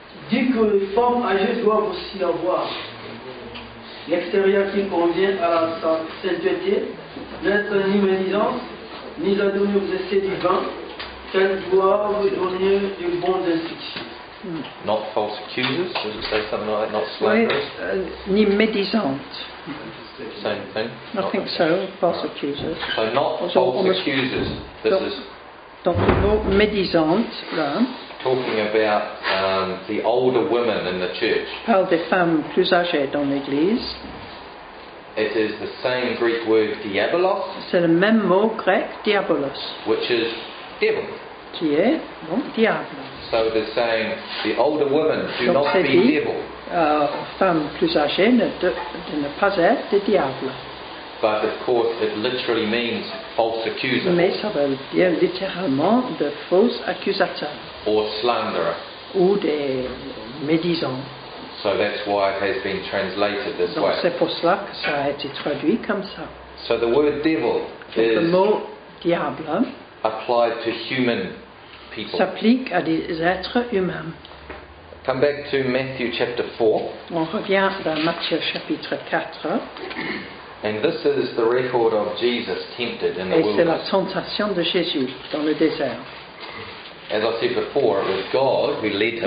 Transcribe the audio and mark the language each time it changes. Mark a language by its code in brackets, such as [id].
[fr] Dit que les femmes âgées doivent aussi avoir l'extérieur qui convient à la sainteté. N'être ni médisant, ni à donner aux essais du vin, qu'elles doivent donner du bon d'instruction. [en] Not false accusers, does it say something like that? Not slanderers? [fr] Ni médisantes. [en] Same thing? False accusers. So not also false accusers. [fr] Donc le mot médisante, là. [en] Talking about the older women in the church. [fr] Parle des femmes plus âgées dans l'église. [en] It is the same Greek word diabolos. [fr] C'est le même mot grec diabolos. [en] Which is devil. [fr] Qui est bon, diable. [en] So it is saying the older women do [fr] donc [en] not be [fr] dit, [en] devil. [fr] Femmes plus âgées ne pas être des diables. [en] But of course, it literally means false accuser. [fr] Mais ça veut dire littéralement de faux accusateur. [en] Or slanderer. [fr] Ou des médisants. [en] So that's why it has been translated this [fr] donc [en] way. [fr] Donc c'est pour cela que ça a été traduit comme ça. [en] So the word devil [fr] donc [en] is [fr] le mot diable [en] applied to human people. [fr] S'applique à des êtres humains. [en] Come back to Matthew chapter 4. [fr] On revient dans Matthieu chapitre 4. [en] And this is the record of Jesus tempted in the [fr] et [en] wilderness. [fr] Et c'est la tentation de Jésus dans le désert. [en] As I said before, it was God who led him.